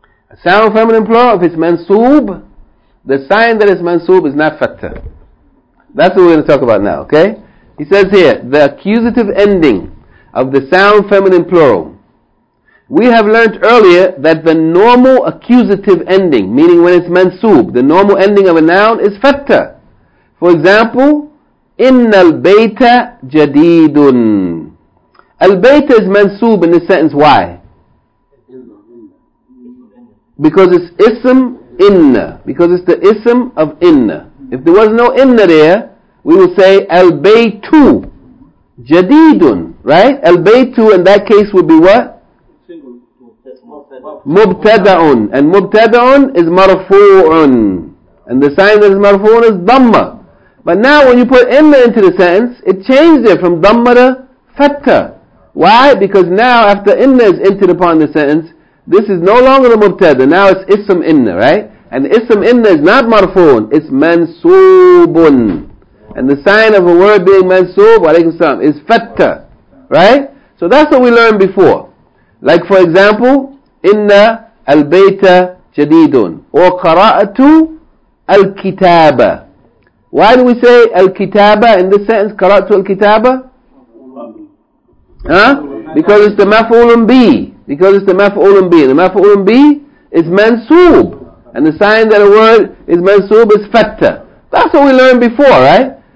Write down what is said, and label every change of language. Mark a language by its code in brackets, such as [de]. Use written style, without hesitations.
[en] A sound feminine plural, if it's mansoob, the sign that it's mansoob is not fatha. That's what we're going to talk about now, okay? He says here, the accusative ending of the sound feminine plural. We have learned earlier that the normal accusative ending, meaning when it's mansoob, the normal ending of a noun is fatha. [ar] For example, إِنَّ الْبَيْتَ جَدِيدٌ. [en] Al-Bayta is mansoob in this sentence. Why? Because it's ism inna. Because it's the ism of inna. If there was no inna there, we would say [ar] al-Baytu jadidun. [en] Right? Al-Baytu in that case would be what? Mubtada'un. And mubtada'un is marfu'un. And the sign that is marfu'un is dhamma. But now when you put inna into the sentence, it changed it from dhamma to fatha. Why? Because now after inna is entered upon the sentence, this is no longer the mubtada. Now it's ism inna, right? And ism inna is not marfu'un. It's mansubun. And the sign of a word being mansub, [ar] alaykum salam, [en] is fatha. Right? So that's what we learned before. Like for example, [ar] إِنَّ الْبَيْتَ جَدِيدٌ وَقَرَأَتُ الْكِتَابَ. [en] Why do we say الْكِتَابَ in this sentence, [ar] قَرَأَتُ الْكِتَابَ? [en] Huh? Because it's the مَفْعُولٌ بِ. Because it's the مَفْعُولٌ بِ. The مَفْعُولٌ بِ is mansub. And the sign that a word is mansub is fatta. That's what we learned before, right?